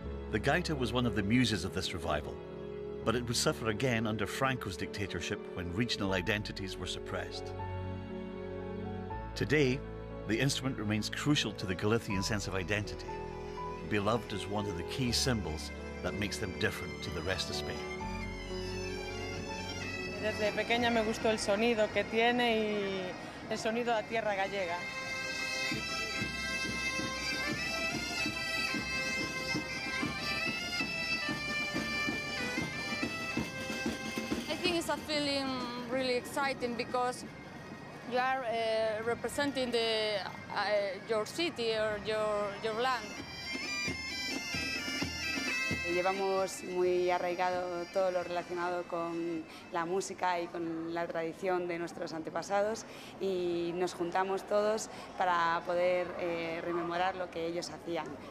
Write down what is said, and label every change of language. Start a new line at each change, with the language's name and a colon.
English: The gaita was one of the muses of this revival, but it would suffer again under Franco's dictatorship when regional identities were suppressed. Today, the instrument remains crucial to the Galician sense of identity, beloved as one of the key symbols that makes them different to the rest of Spain.
Spanish: Desde pequeña me gustó el sonido que tiene y el sonido de tierra gallega.
English: I think it's a feeling really exciting because you are representing the your city or your land.
Spanish: Llevamos muy arraigado todo lo relacionado con la música y con la tradición de nuestros antepasados y nos juntamos todos para poder rememorar lo que ellos hacían.